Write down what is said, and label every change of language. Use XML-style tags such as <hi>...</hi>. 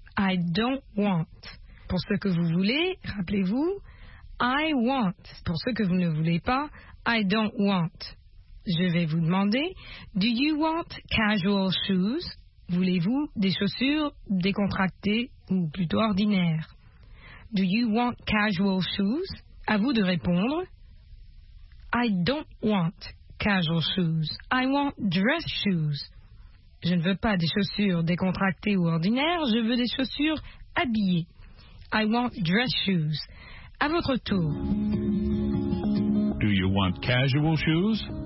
<en>I don't want.</en> <fr>Pour ce que vous voulez, rappelez-vous,</fr> <en>I want.</en> <fr>Pour ce que vous ne voulez pas,</fr> <en>I don't want.</en> <fr>Je vais vous demander,</fr> <en>do you want casual shoes?</en> <fr>Voulez-vous des chaussures décontractées ou plutôt ordinaires?</fr> <en>Do you want casual shoes?</en> <fr>À vous de répondre,</fr> <en>I don't want. Casual shoes. I want dress shoes.</en> <fr>Je ne veux pas des chaussures décontractées ou ordinaires, je veux des chaussures habillées.</fr> <en>I want dress shoes.</en> <fr>À votre tour.</fr> <en>Do you want casual shoes?</en>